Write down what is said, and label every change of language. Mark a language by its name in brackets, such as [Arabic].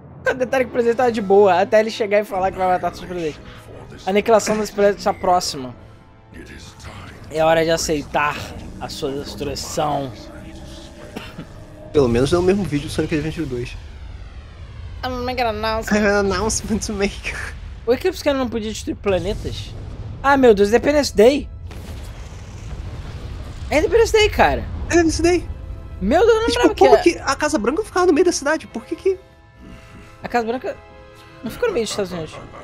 [Portuguese] O detalhe que o presidente tava de boa, até ele chegar e falar que vai matar todos os presidentes. A aniquilação dos presidentes está próxima. É hora de aceitar a sua destruição. Pelo menos é o mesmo vídeo do Sonic Adventure 2. [English] I'm gonna make an announcement. I have an announcement to make. [Portuguese] O Eclipse Cannon não podia destruir planetas? Ah, meu Deus, Independence Day? É Independence Day, cara. Independence Day? Meu Deus, eu não lembro tipo, como que a Casa Branca ficava no meio da cidade? Por que que... A Casa Branca não ficou no meio dos Estados Unidos.